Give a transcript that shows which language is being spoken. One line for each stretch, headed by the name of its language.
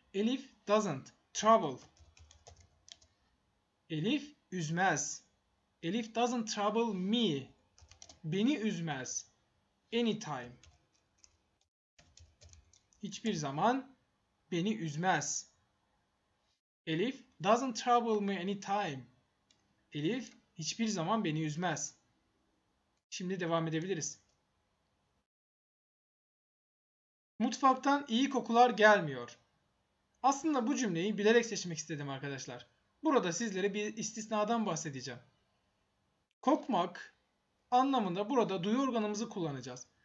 English: Elif doesn't. Trouble.
Turkish: Elif üzmez.
English: Elif doesn't trouble me.
Turkish: Beni üzmez.
English: Anytime.
Turkish: Hiçbir zaman beni üzmez.
English: Elif doesn't trouble me anytime.
Turkish: Elif hiçbir zaman beni üzmez. Şimdi devam edebiliriz. Mutfaktan iyi kokular gelmiyor. Aslında bu cümleyi bilerek seçmek istedim arkadaşlar. Burada sizlere bir istisnadan bahsedeceğim. Kokmak anlamında burada duyu organımızı kullanacağız.